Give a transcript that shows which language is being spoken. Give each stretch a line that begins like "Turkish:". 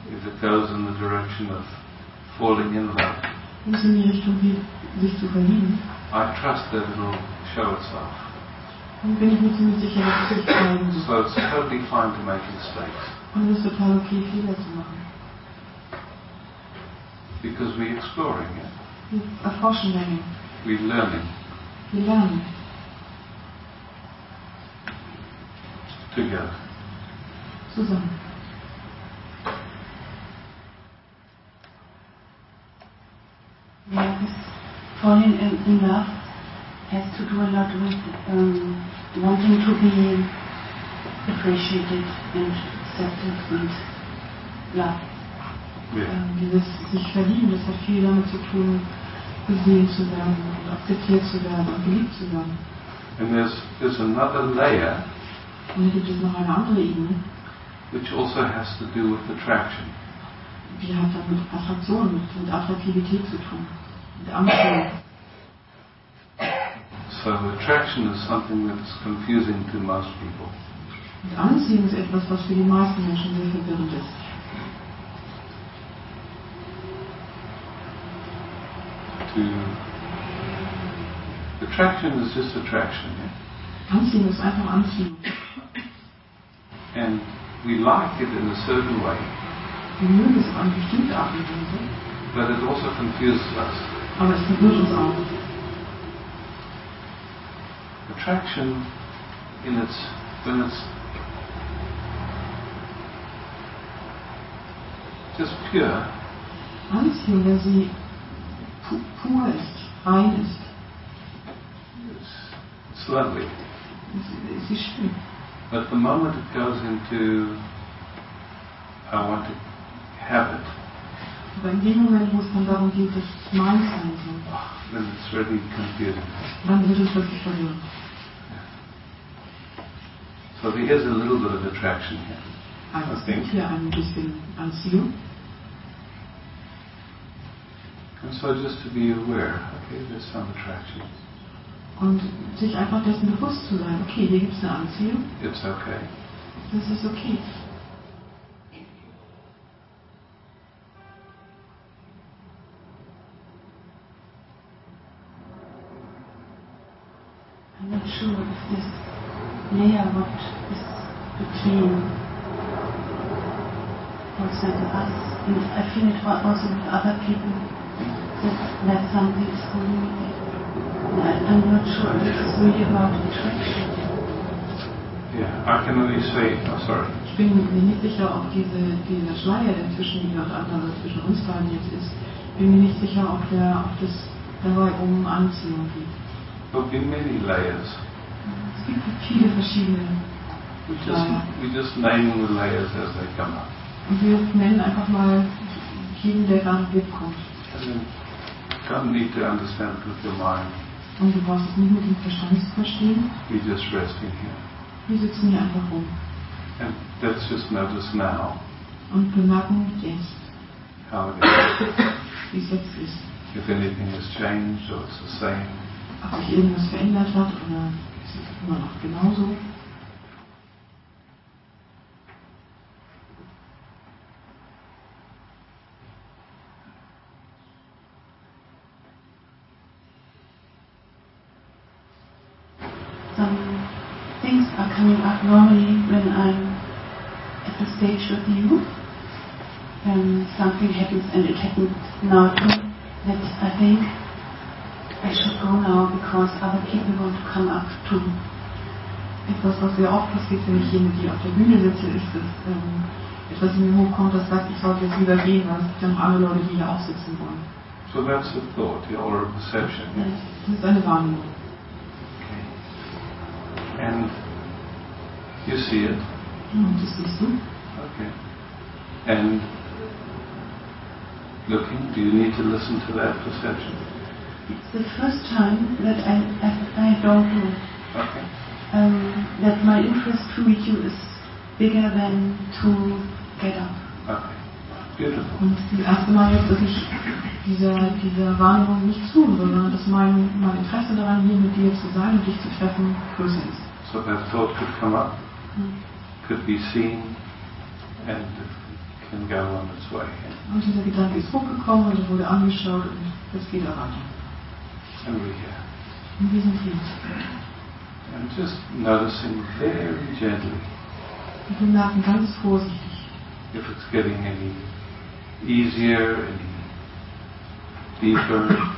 English: if it goes in the direction of falling in love,
German: muss in die Richtung gehen, sich zu verlieben.
English: I trust that it will show itself.
German: Dann bin ich mir ziemlich sicher, dass es sich zeigen wird.
English: So it's totally fine to make mistakes.
German: Und es ist total okay, Fehler zu machen.
English: Because we're exploring it.
German: Wir erforschen lernen.
English: We're learning.
German: Wir lernen.
English: Together.
German: Zusammen.
English: Yeah, this falling in love has to do a lot with wanting to be appreciated and accepted and loved. Yeah.
German: Dieses sich verlieben, das hat viel damit zu tun, gesehen zu werden und akzeptiert zu werden und geliebt zu werden.
English: And there's another layer.
German: Und hier gibt es noch eine andere Ebene.
English: Which also has to do with attraction.
German: Die hat dann mit Attraktion, mit Attraktivität zu tun. Mit Anziehung.
English: So attraction is something that's confusing to most people.
German: Und Anziehung ist etwas, was für die meisten Menschen sehr verwirrend ist.
English: Attraction is just attraction.
German: Anziehung ist einfach Anziehung.
English: And we like it in a certain way.
German: Wir mögen es auf eine bestimmte Art und Weise.
English: But it also confuses us.
German: Aber es verwirrt uns auch.
English: Attraction, when it's just pure.
German: Anziehung, wenn sie pur ist, rein ist.
English: It's lovely.
German: Es ist schön.
English: But the moment it goes into I want to have it.
German: Aber in dem Moment, wo es dann darum geht, dass es mein sein soll, dann wird es wirklich confusing. Dann wird es wirklich verwirrend.
English: So here's a little bit of attraction here.
German: Also,
English: I think.
German: Hier ein bisschen Anziehung.
English: And so just to be aware, okay, there's some attraction.
German: Und sich einfach dessen bewusst zu sein, okay, hier gibt es eine Anziehung.
English: It's okay.
German: Das ist okay.
English: I'm not sure if this layer what is between, for example, us, and I feel it also with other people, that something is communicated. I'm not sure if this is really about attraction. Yeah, I can only say, I'm sorry.
German: Ich bin mir nicht sicher, ob dieser Schleier dazwischen, die dort andere zwischen uns beiden jetzt ist, bin mir nicht sicher, ob der auf das dabei um Anziehung geht.
English: There'll be many layers.
German: Es gibt viele verschiedene
English: Layer. We just name the layers as they come up.
German: Und wir nennen einfach mal jeden, der gerade mitkommt.
English: And you don't need to understand it with your mind.
German: Und du brauchst es nicht mit dem Verstand zu verstehen.
English: We're just resting here.
German: Wir sitzen hier einfach rum.
English: And let's just notice now.
German: Und bemerken jetzt.
English: How it is.
German: Wie es jetzt ist.
English: If anything has changed or it's the same.
German: Ob sich irgendwas verändert hat oder ist es immer noch genauso?
English: Some things are coming up normally when I'm at the stage with you. And something happens and it happened now too, that I think I should go now because other people want to come up too.
German: Etwas, was sehr oft passiert, wenn ich hier mit dir auf der Bühne sitze, ist, dass etwas in mir hochkommt, das sagt, ich sollte jetzt wieder gehen, weil es gibt ja noch andere Leute, die hier auch sitzen wollen.
English: So that's a thought, the oral perception.
German: Das ist eine Wahrnehmung.
English: Okay. And you see it.
German: Und das siehst du.
English: Okay. And looking, do you need to listen to that perception? It's the first time that I don't know. Okay. That my interest to meet you is bigger than to get up. Okay. Beautiful.
German: Und das erste Mal jetzt, dass ich dieser Wahrnehmung nicht tue, sondern dass mein Interesse daran, hier mit dir zu sein und dich zu treffen, größer ist.
English: So that thought could come up, could be seen, and can go on its way.
German: Und dieser Gedanke ist hochgekommen und wurde angeschaut und das geht auch weiter.
English: And we're here.
German: Und wir sind hier.
English: And just noticing very gently.
German: Und wir merken ganz vorsichtig.
English: If it's getting any easier, any deeper.